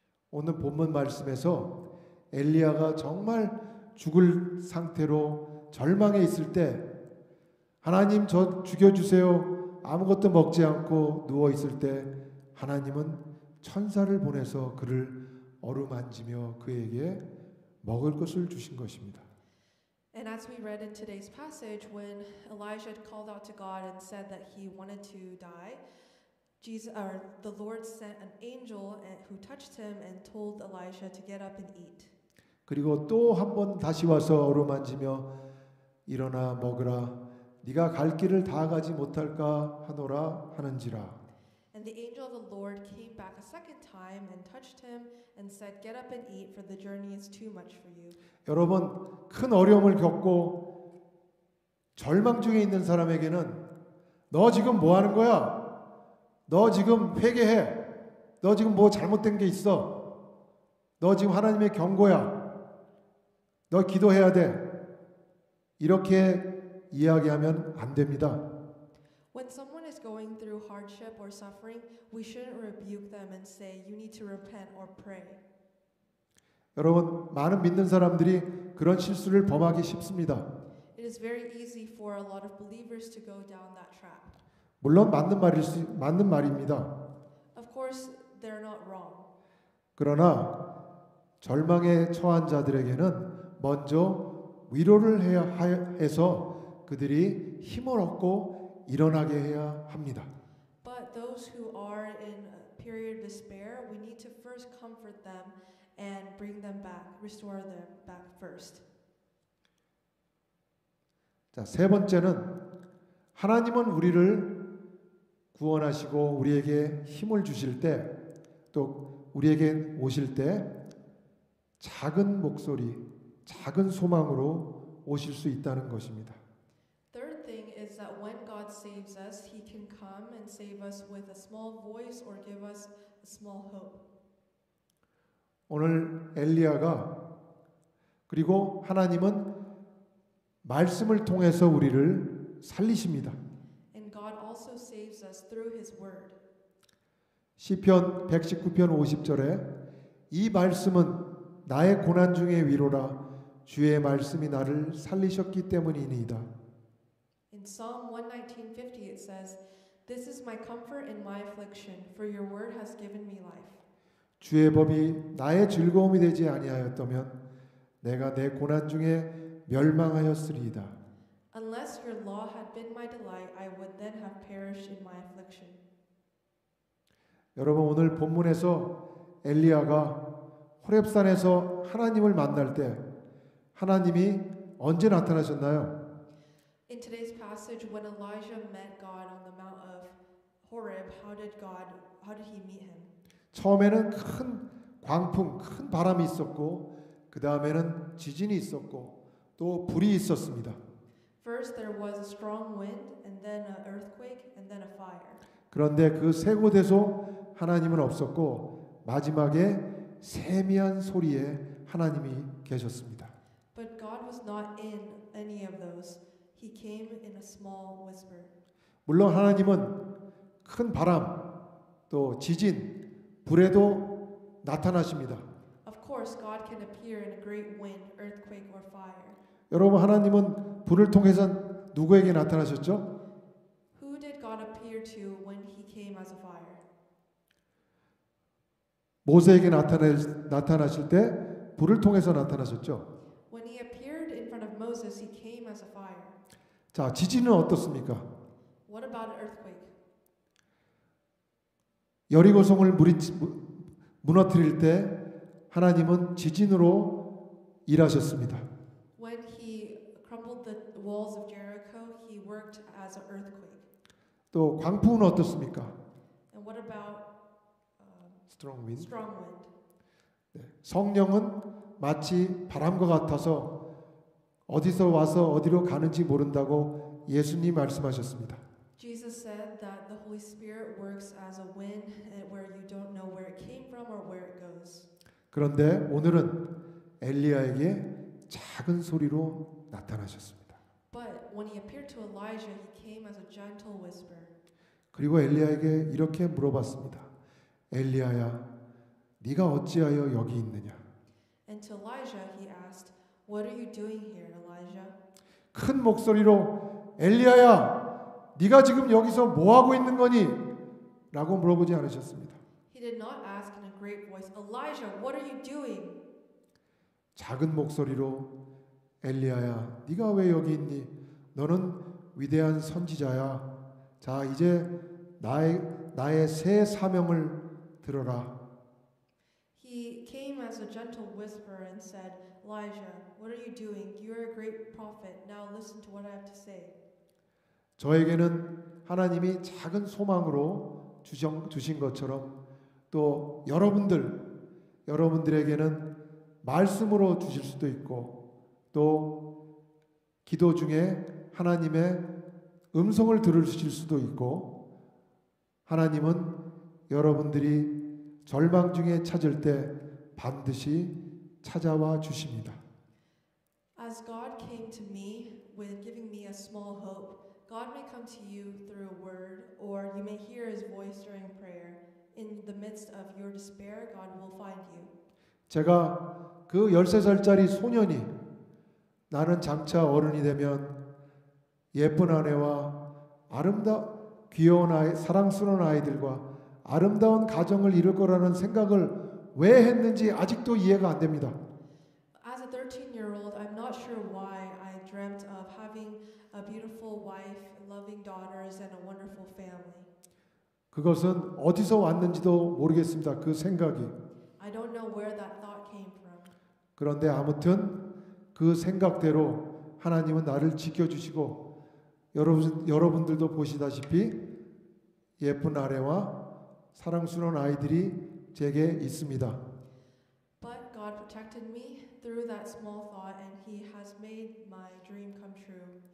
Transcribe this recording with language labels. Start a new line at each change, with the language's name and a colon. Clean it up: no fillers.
Korean: 오늘 본문 말씀에서 엘리야가 정말 죽을 상태로 절망에 있을 때 하나님 저 죽여주세요. 아무것도 먹지 않고 누워 있을 때 하나님은 천사를 보내서 그를 어루만지며 그에게 먹을 것을 주신 것입니다.
English: And as we read in today's passage, when Elijah called out to God and said that he wanted to die, the Lord sent an angel who touched him and told Elijah to get up and eat.
Korean: 그리고 또 한 번 다시 와서 어루만지며 일어나 먹으라. 네가 갈 길을 다 가지 못할까 하노라 하는지라.
English: And the angel of the Lord came back a second time and touched him and said, "Get up and eat, for the journey is too much for you."
Korean: 여러분, 큰 어려움을 겪고 절망 중에 있는 사람에게는 너 지금 뭐 하는 거야? 너 지금 회개해. 너 지금 뭐 잘못된 게 있어. 너 지금 하나님의 경고야. 너 기도해야 돼. 이렇게 이야기하면 안 됩니다.
English: When someone is going through hardship or suffering, we shouldn't rebuke them and say you need to repent or pray.
Korean: 여러분, 많은 믿는 사람들이 그런 실수를 범하기 쉽습니다.
English: It is very easy for a lot of believers to go down that trap.
Korean: 물론 맞는 말입니다.
English: Of course, they're not wrong.
Korean: 그러나 절망에 처한 자들에게는 먼저 위로를 해서 그들이 힘을 얻고 일어나게 해야 합니다.
English: But those who are in a period of despair, we need to first comfort them and bring them back, restore them back first.
Korean: 자, 세 번째는 하나님은 우리를 구원하시고 우리에게 힘을 주실 때 또 우리에게 오실 때 작은 목소리, 작은 소망으로 오실 수 있다는 것입니다.
English: Third thing is that when God saves us, he can come and save us with a small voice or give us a small hope.
Korean: 오늘 엘리야가 그리고 하나님은 말씀을 통해서 우리를 살리십니다.
English: And God also saves us through his word.
Korean: 시편 119편 50절에 이 말씀은 나의 고난 중에 위로라 주의 말씀이 나를 살리셨기 때문이니이다.
English: In Psalm 119:50 it says, "This is my comfort in my affliction, for your word has given me life."
Korean: 주의 법이 나의 즐거움이 되지 아니하였다면 내가 내 고난 중에 멸망하였으리이다.
English: Unless your law had been my delight, I would then have perished in my affliction.
Korean: 여러분, 오늘 본문에서 엘리야가 호렙산에서 하나님을 만날 때 하나님이 언제 나타나셨나요?
English: In today's passage, when Elijah met God on the Mount of Horeb, how did he meet him?
Korean: 처음에는 큰 광풍, 큰 바람이 있었고, 그 다음에는 지진이 있었고, 또 불이 있었습니다.
English: First, there was a strong wind, and then an earthquake, and then a fire.
Korean: 그런데 그 세 곳에서 하나님은 없었고, 마지막에 세미한 소리에 하나님이 계셨습니다.
English: But God was not in any of those. He came in a small whisper.
Korean: 물론 하나님은 큰 바람, 또 지진, 불에도 나타나십니다.
English: Of course, God can appear in a great wind, earthquake, or fire.
Korean: 여러분, 하나님은 불을 통해서 누구에게 나타나셨죠?
English: Who did God appear to when he came as a fire?
Korean: 모세에게 나타나실 때 불을 통해서 나타나셨죠.
English: When he appeared in front of Moses, he came as a fire.
Korean: 자, 지진은 어떻습니까?
English: What about an earthquake?
Korean: 여리고성을 무너뜨릴 때 하나님은 지진으로 일하셨습니다.
English: When he crumbled the walls of Jericho, he worked as an earthquake.
Korean: 또 광풍은 어떻습니까?
English: And what about strong wind. Strong wind.
Korean: 네, 성령은 마치 바람과 같아서 어디서 와서 어디로 가는지 모른다고 예수님 말씀하셨습니다.
English: Jesus said that the Holy Spirit works as a wind where you don't know where it came from or where it goes.
Korean: 그런데 오늘은 엘리야에게 작은 소리로 나타나셨습니다.
English: But when he appeared to Elijah, he came as a gentle whisper.
Korean: 그리고 엘리야에게 이렇게 물어봤습니다. 엘리야야, 네가 어찌하여 여기 있느냐?
English: And to Elijah, he asked, "What are you doing here, Elijah?"
Korean: 큰 목소리로, 엘리야야, 네가 지금 여기서 뭐 하고 있는 거니? 라고 물어보지 않으셨습니다.
English: He did not ask in a great voice, "Elijah, what are you doing?"
Korean: 작은 목소리로, 엘리야야, 네가 왜 여기 있니? 너는 위대한 선지자야. 자, 이제 나의 새 사명을 들어라.
English: He came as a gentle whisper and said, "Elijah, what are you doing? You are a great prophet. Now listen to what I have to say."
Korean: 저에게는 하나님이 작은 소망으로 주신 것처럼 또 여러분들에게는 말씀으로 주실 수도 있고 또 기도 중에 하나님의 음성을 들으실 수도 있고 하나님은 여러분들이 절망 중에 찾을 때 반드시 찾아와 주십니다.
English: As God came to me with giving me a small hope, God may come to you through a word, or you may hear His voice during prayer. In the midst of your despair, God will find you.
Korean: 제가 그 13살짜리 소년이 나는 장차 어른이 되면 예쁜 아내와 귀여운 아이, 사랑스러운 아이들과 아름다운 가정을 이룰 거라는 생각을 왜 했는지 아직도 이해가 안 됩니다.
English: As a 13-year-old, I'm not sure why I dreamt of having a beautiful wife, loving daughters, and a wonderful family.
Korean: 그것은 어디서 왔는지도 모르겠습니다. 그 생각이.
English: I don't know where that thought came from.
Korean: 그런데 아무튼 그 생각대로 하나님은 나를 지켜주시고 여러분들도 보시다시피 예쁜 아내와 사랑스러운 아이들이 제게 있습니다.
English: But God protected me through that small thought and he has made my dream come true.